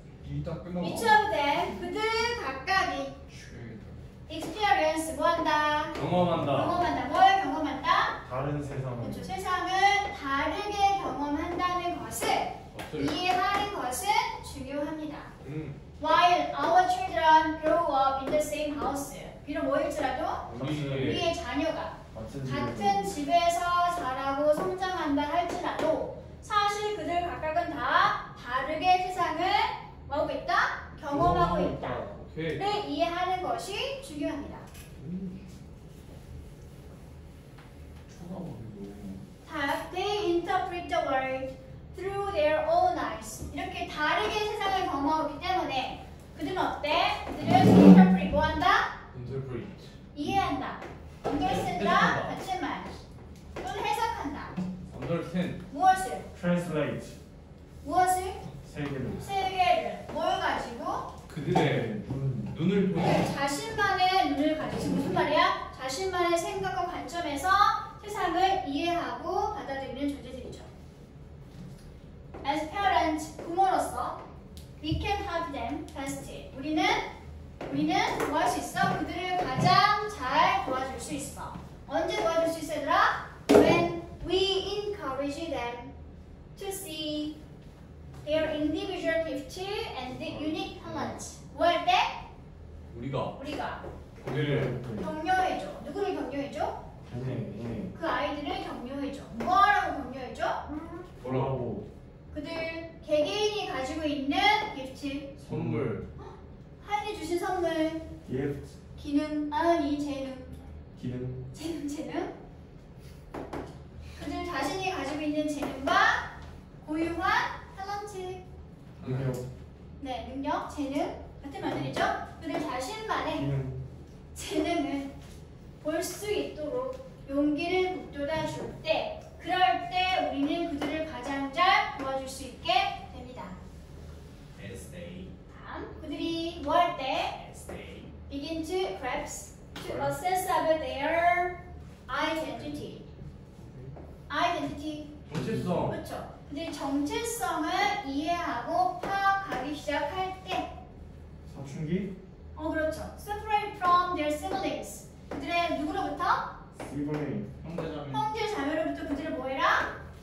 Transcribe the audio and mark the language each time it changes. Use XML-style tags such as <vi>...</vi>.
<ko>이 딱 끝나고. 미쳐도 돼. 그들 각각이. experience 뭐 한다? 경험한다. 경험한다. 뭘 경험한다? 다른 세상을. 그렇죠. 세상을 다르게 경험한다는 것을 없어요. 이해하는 것은 중요합니다.</ko> <en>While our children grow up in the same house.</en> <ko>비록 뭐일지라도 우리의 자녀가 같은 집에서 자라고 성장한다 할지라도 사실 그들 각각은 다 다르게 세상을 뭐하고 있다? 경험하고 있다. 네, 이해하는 것이 중요합니다. 쳐다보기도.</ko> <en>They interpret the world through their own eyes.</en> <ko>이렇게 다르게 세상을 경험하기 때문에 그들은 어때? 그들은 interpret 뭐 한다?</ko> <en>Interpret.</en> <ko>이해한다. Understand 같은 말. 또는 해석한다.</ko> <en>Understand.</en> <ko>무엇을?</ko> <en>Translate.</en> <ko>무엇을? 세계를. 세계를. 뭘 가지고? 그들의 눈을 보는 자신만의 눈을 가지고 무슨 말이야? 자신만의 생각과 관점에서 세상을 이해하고 받아들이는 존재들이죠.</ko> <en>As parents,</en> <ko>부모로서</ko> <en>we can help them best.</en> <ko>우리는 도와줄 수 있어. 그들을 가장 잘 도와줄 수 있어. 언제 도와줄 수 있어, 얘들아?</ko> <en>When we encourage them to see their individual gifts and the unique talents.</en> <ko>뭐 할 때? 우리가 그들을 격려해줘. 누구를 격려해줘? 선생님. 그 아이들을 격려해줘. 뭐하라고 격려해줘? 뭐라고? 그들 개개인이 가지고 있는 gift. 선물. 하인이 주신 선물.</ko> <en>gift.</en> <ko>기능. 아니 재능. 기능. 재능. 그들 자신이 가지고 있는 재능과 고유한 탤런트. 능력. 네, 능력, 재능. 같은 말들이죠? 그들 자신만의 재능을 볼 수 있도록 용기를 북돋아 줄 때 그럴 때 우리는 그들을 가장 잘 도와줄 수 있게 됩니다.</ko> <en>As they</en> <ko>다음 그들이 뭐 할 때</ko> <en>As they begin to grasp to assess about their identity. Identity</en> <ko>정체성 그렇죠. 그들 정체성을 이해하고 파악하기 시작할 때 사춘기? 어 그렇죠.</ko> <en>Separate from their siblings.</en> <ko>그들의 누구로부터?</ko> <en>Sibling.</en> <ko>형제자매. 형제자매로부터 그들을 뭐해라?</ko>